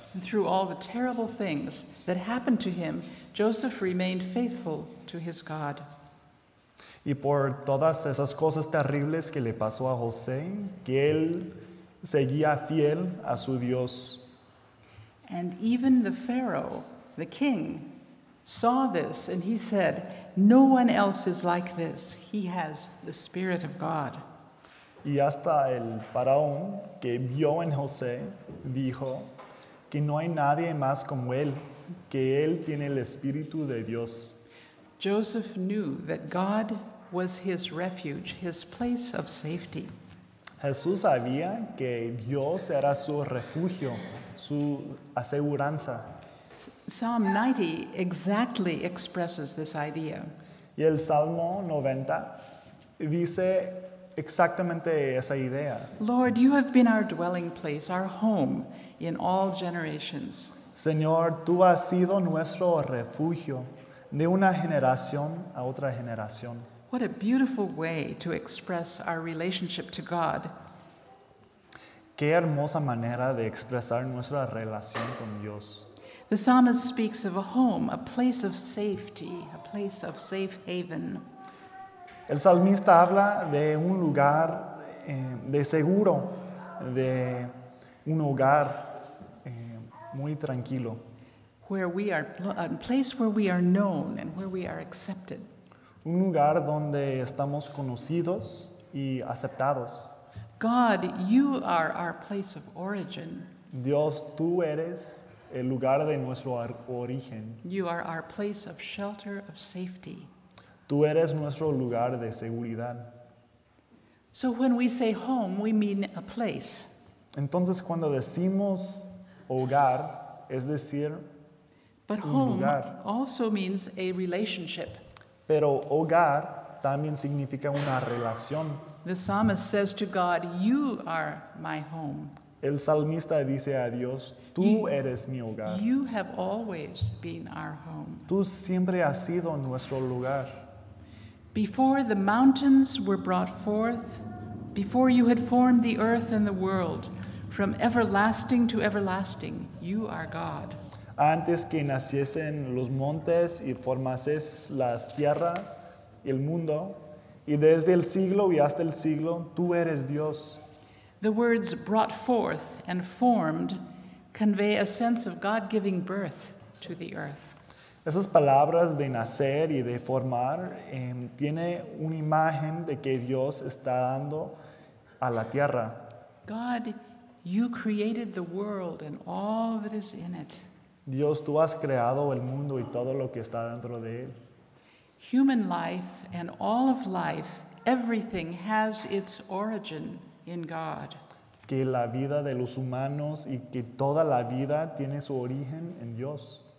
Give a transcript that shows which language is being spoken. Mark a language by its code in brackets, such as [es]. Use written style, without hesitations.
[en] And through all the terrible things that happened to him, Joseph remained faithful to his God. [es] Y por todas esas cosas terribles que le pasó a José, que él seguía fiel a su Dios. [en] And even the Pharaoh, the king, saw this and he said, "No one else is like this. He has the Spirit of God." [es] Y hasta el faraón que vio en José dijo que no hay nadie más como él, que él tiene el Espíritu de Dios. [en] Joseph knew that God was his refuge, his place of safety. [es] Jesús sabía que Dios era su refugio, su aseguranza. [en] Psalm 90 exactly expresses this idea. [es] Y el Salmo 90 dice exactamente esa idea. [en] Lord, you have been our dwelling place, our home in all generations. [es] Señor, tú has sido nuestro refugio de una generación a otra generación. [en] What a beautiful way to express our relationship to God. [es] Qué hermosa manera de expresar nuestra relación con Dios. [en] The psalmist speaks of a home, a place of safety, a place of safe haven. [es] El salmista habla de un lugar de seguro, de un hogar muy tranquilo. [en] Where we are, a place where we are known and where we are accepted. [es] Un lugar donde estamos conocidos y aceptados. [en] God, you are our place of origin. [es] Dios, tú eres el lugar de nuestro origen. [en] You are our place of shelter, of safety. [es] Tú eres nuestro lugar de seguridad. [en] So when we say home, we mean a place. [es] Entonces cuando decimos hogar, es decir, [en] but home [es] lugar. [en] Also means a relationship. [es] Pero hogar también significa una relación. [en] The psalmist says to God, "You are my home." [es] El salmista dice a Dios, tú eres mi hogar. [en] You have always been our home. [es] Tú siempre has sido nuestro lugar. [en] Before the mountains were brought forth, before you had formed the earth and the world, from everlasting to everlasting, you are God. [es] Antes que naciesen los montes y formases la tierra, el mundo, y desde el siglo y hasta el siglo, tú eres Dios. [en] The words brought forth and formed convey a sense of God giving birth to the earth. [es] Esas palabras de nacer y de formar tiene una imagen de que Dios está dando a la tierra. [en] God, you created the world and all that is in it. [es] Dios, tú has creado el mundo y todo lo que está dentro de él. [en] Human life and all of life, everything has its origin in God. [es] Que la vida de los humanos y que toda la vida tiene su origen en Dios.